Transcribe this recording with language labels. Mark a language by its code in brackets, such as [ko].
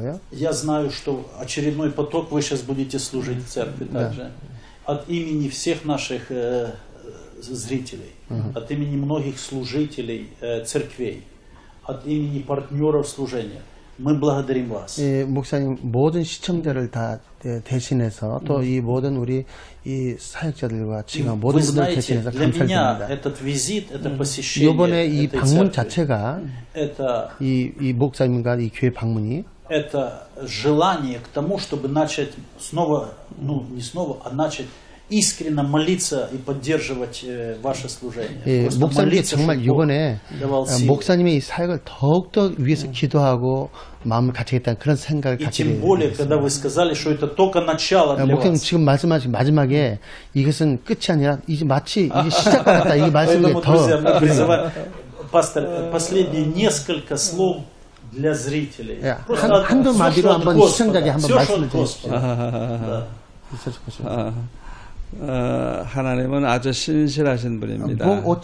[ru] Я знаю, что очередной поток вы сейчас будете служить в церкви также. От имени всех наших зрителей, от имени многих служителей церквей, от имени партнеров служения. Мы благодарим вас. [ko] 예, 목사님, 모든 시청자를 다 대신해서 또 이 모든 우리 이 사역자들과 지금 모든 분들 대신해서 감사드립니다. [ru] Этот визит, это посещение. [ko] 이번에 이 방문 [ru] церкви. [ko] 자체가 [ru] это [ko] 이 목사님과 이 교회 방문이 [ru] это желание к тому, чтобы начать снова, ну, не снова, а начать искренне молиться и поддерживать ваше служение. [ko] 예, 목사님 정말 이번에 목사님의 이 사역을 더욱더 위해서 기도하고 마음을 갖추겠다는 그런 생각을 갖게 되었어요. 이 지금 뭐래? 그다음에 [ru] сказали, что это только начало для вас. [ko] 목사님 지금 말씀하신 마지막에 이것은 끝이 아니라 이제 마치 이제 시작 같다 이 말씀이 더. [ru] 파스터, последние несколько слов для зрителей. [ko] 한두 마디로 한번 시청자에게 한번 말씀을 드리십시오. 있어 주실 것입니다. 하나님은 아주 신실하신 분입니다.